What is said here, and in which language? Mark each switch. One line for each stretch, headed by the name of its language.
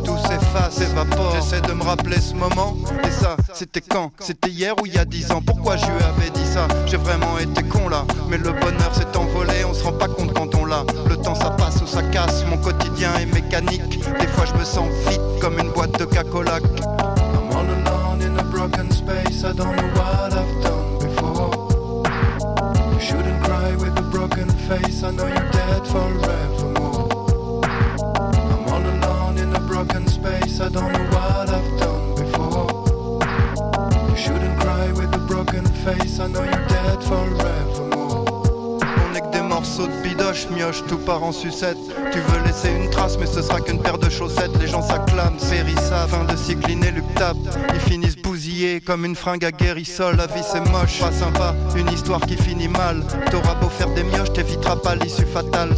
French: Tout s'efface, s'évapore. J'essaie de me rappeler ce moment. Et ça, c'était quand? C'était hier ou il y a 10 ans? Pourquoi je lui avais dit ça? J'ai vraiment été con là. Mais le bonheur s'est envolé, on se rend pas compte quand on l'a. Le temps ça passe ou ça casse, mon quotidien est mécanique. Des fois je me sens vite comme une boîte de cacolac.
English: I'm all alone in a broken space, I don't know what I've done before. You shouldn't cry with a broken face, I know you're dead forevermore. I'm all alone in a broken space, I don't know what I've done before. You shouldn't cry with a broken face, I know you're dead forevermore.
French: On est que des morceaux de bidoche, mioche, tout part en sucette. Tu veux laisser une trace, mais ce sera qu'une paire de chaussettes. Les gens s'acclament, périssent, fin de cycle inéluctable. Ils finissent bousillés comme une fringue à guérissol. La vie c'est moche, pas sympa, une histoire qui finit mal. T'auras beau faire des mioches, t'éviteras pas l'issue fatale.